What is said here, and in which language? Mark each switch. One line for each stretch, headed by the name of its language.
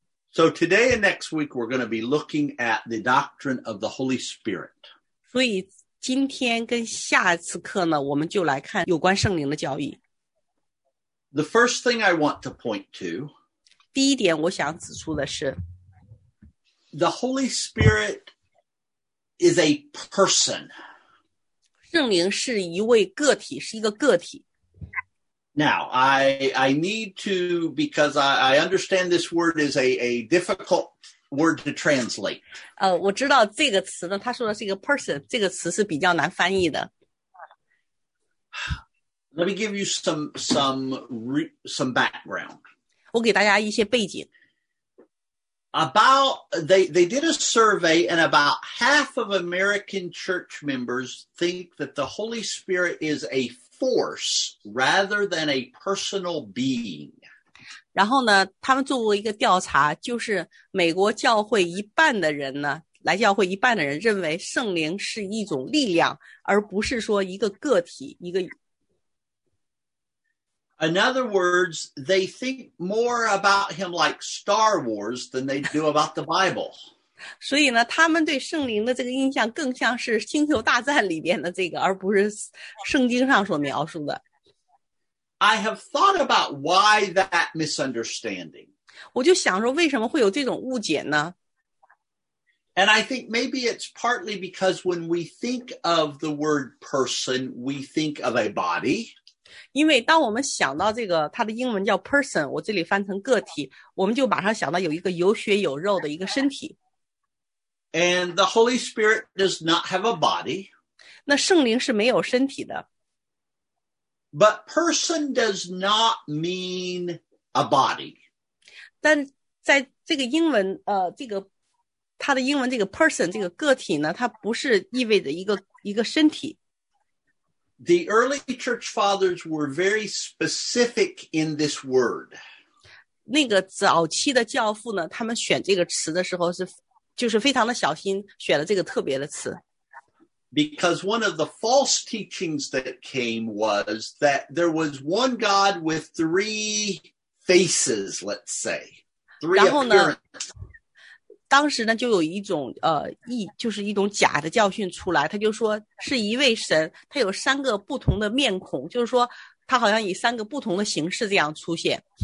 English: So today and next week, we're going to be looking at the doctrine of the Holy Spirit.
Chinese: 所以今天跟下次课呢，我们就来看有关圣灵的教义。
English: The first thing I want to point to,
Chinese: 第一点我想指出的是
English: the Holy Spirit is a person.
Chinese: 圣灵是一位个体，是一个个体。
English: Now, I need to, because I understand this word is a difficult word to translate.
Chinese: 我知道这个词呢，他说的是一个 person, 这个词是比较难翻译的。
English: Let me give you some background.
Chinese: 我给大家一些背景。
English: About, they did a survey and about half of American church members think that the Holy Spirit is a force rather than a personal being.
Chinese: 然后呢他们做过一个调查就是美国教会一半的人呢来教会一半的人认为圣灵是一种力量而不是说一个个体一个。
English: In other words, they think more about him like Star Wars than they do about the Bible.
Chinese: 所以呢他们对圣灵的这个印象更像是星球大战里边的这个而不是圣经上所描述的。
English: I have thought about why that misunderstanding.
Chinese: 我就想说为什么会有这种误解呢？
English: And I think maybe it's partly because when we think of the word person, we think of a body.
Chinese: 因为当我们想到这个它的英文叫 person 我这里翻成个体我们就马上想到有一个有血有肉的一个身体
English: And the Holy Spirit does not have a body
Chinese: 那圣灵是没有身体的
English: But person does not mean a body
Chinese: 但在这个英文这个它的英文这个 person 这个个体呢它不是意味着一个身体
English: The early church fathers were very specific in this word.
Chinese: 那个早期的教父呢，他们选这个词的时候是，就是非常的小心，选了这个特别的词。
English: Because one of the false teachings that came was that there was one God with three faces, let's say. Three appearances.
Chinese: 当时呢就有一种就是一种假的教训出来他就说是一位神他有三个不同的面孔就是说他好像以三个不同的形式这样出现。